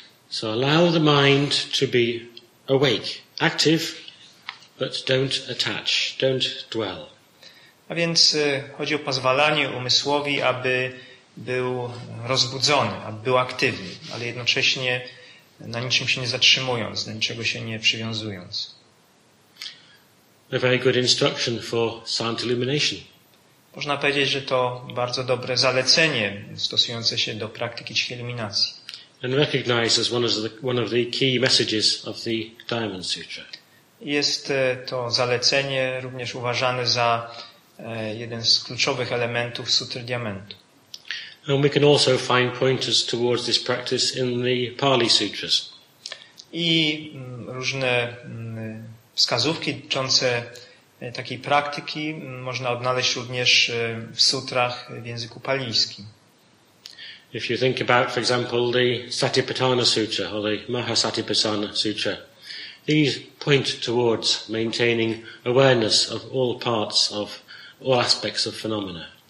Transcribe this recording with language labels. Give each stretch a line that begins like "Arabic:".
English: So allow the mind to be awake, active, but don't attach, don't dwell.
Polish: A więc chodzi o pozwalanie umysłowi, aby był rozbudzony, aby był aktywny, ale jednocześnie na niczym się nie zatrzymując, na niczego się nie przywiązując.
English: A very good instruction for silent illumination.
Polish: Można powiedzieć, że to bardzo dobre zalecenie stosujące się do praktyki cichej iluminacji.
English: And recognized as one of the key messages of the Diamond Sutra.
Polish: Jest to zalecenie również uważane za jeden z kluczowych elementów sutry diamentu.
English: And we can also find pointers towards this practice in the Pali Sutras.
Polish: I różne wskazówki dotyczące takiej praktyki można odnaleźć również w sutrach w języku palińskim.
English: If you think about, for example, the Satipatthana Sutra or the Mahasatipatthana Sutra, these point towards maintaining awareness of all parts of all aspects of phenomena.